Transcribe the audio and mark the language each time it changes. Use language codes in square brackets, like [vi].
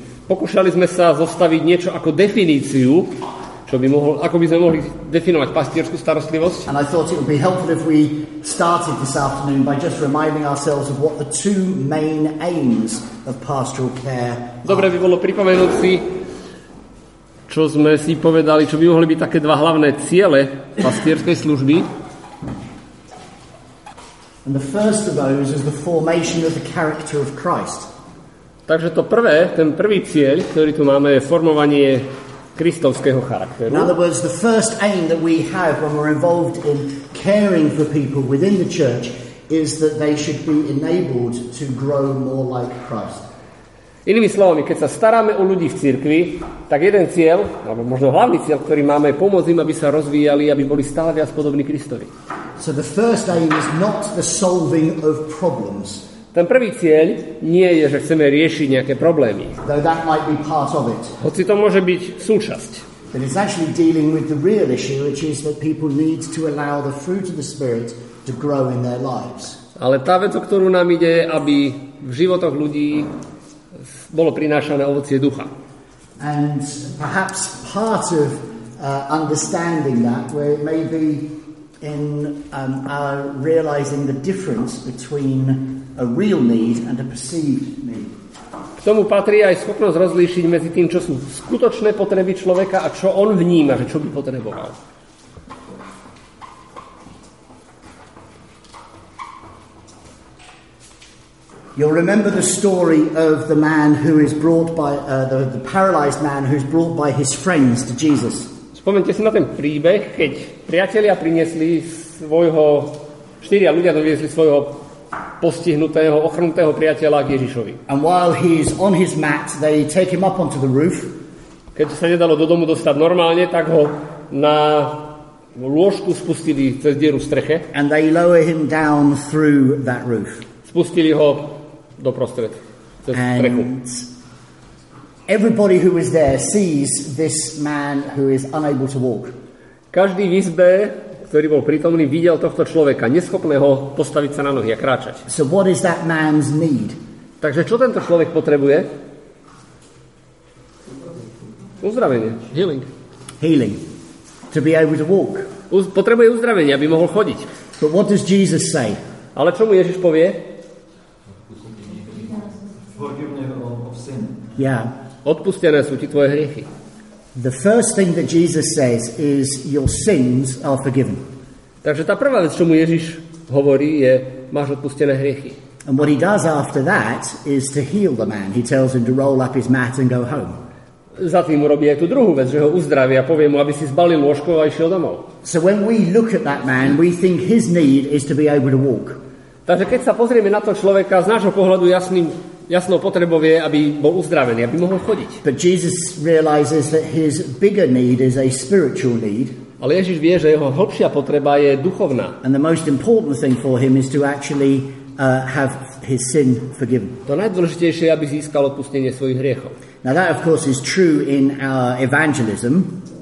[sk] Pokúšali sme sa zostaviť niečo ako definíciu, čo by mohol, ako by sme mohli definovať pastierskú starostlivosť. [en] And I thought it would be helpful if we started this afternoon by just reminding ourselves of what the two main aims of pastoral care. [sk] Dobre by bolo pripomenúť si, čo sme si povedali, čo by mohli byť také dva hlavné ciele pastierskej služby. [en] And the first of those is the formation of the character of Christ. [sk] Takže to prvé, ten prvý cieľ, ktorý tu máme, je formovanie kristovského charakteru. [en] In other words, the first aim that we have when we're involved in caring for people within the church is that they should be enabled to grow more like Christ. [sk] Inými slovami, keď sa staráme o ľudí v cirkvi, tak jeden cieľ, alebo možno hlavný cieľ, ktorý máme, je pomôcť im, aby sa rozvíjali, aby boli stále viac podobní Kristovi. [en] So the first aim is not the solving of problems. [sk] Ten prvý cieľ nie je, že chceme riešiť nejaké problémy. [en] Though that might be part of it. [sk] Hoci to môže byť súčasť. [en] But it's actually dealing with the real issue, which is that people need to allow the fruit of the Spirit to grow in their lives. [sk] Ale tá vec, o ktorú nám ide, je, aby v životoch ľudí bolo prinášané ovocie ducha. [en] And perhaps part of understanding that, where it may be in our realizing the difference between a real need and a perceived need. [sk] K tomu patrí aj schopnosť rozlíšiť medzi tým, čo sú skutočné potreby človeka a čo on vníma, že čo by potreboval. [en] You'll remember the story of the man who is brought by the paralyzed man who's brought by his friends to Jesus. [sk] Spomnite si na ten príbeh, keď priatelia priniesli svojho, štyria ľudia doviezli svojho postihnutého, ochrnutého priateľa k Ježišovi. [en] And while he's on his mat, they take him up onto the roof. [sk] Keď sa nedalo do domu dostať normálne, tak ho na lôžku spustili cez dieru v streche. [en] And they lower him down through that roof. [sk] Spustili ho do prostred, cez strechu. [en] Everybody who is there sees this man who is unable to walk. [sk] Každý v izbe, ktorý bol prítomný, videl tohto človeka, neschopného postaviť sa na nohy a kráčať. [en] So what is that man's need? [sk] Takže čo tento človek potrebuje? Uzdravenie. [en] Healing. Healing. To be able to walk. [sk] Potrebuje uzdravenie, aby mohol chodiť. [en] But what does Jesus say? [sk] Ale čo mu Ježiš povie? [en] Yeah. [sk] Odpustené sú ti tvoje hriechy. [en] The first thing that Jesus says is your sins are forgiven. [sk] Takže tá prvá vec, čo mu Ježiš hovorí, je máš odpustené hriechy. [en] And what he does after that is to heal the man. He tells him to roll up his mat and go home. [sk] Za tým urobí aj tú druhú vec, že ho uzdraví a povie mu, aby si zbalil lôžko a išiel domov. [en] So when we look at that man, we think his need is to be able to walk. [sk] Takže keď sa pozrieme na toho človeka z nášho pohľadu jasnou potrebou je, aby bol uzdravený, aby mohol chodiť. [en] But Jesus realizes that his bigger need is a spiritual need. [sk] Ale Ježiš vie, že jeho hlbšia potreba je duchovná. [en] And the most important thing for him is to actually have his sin forgiven. [sk] To najdôležitejšie je, aby získal odpustenie svojich hriechov. [en] Now that of course is true in our evangelism.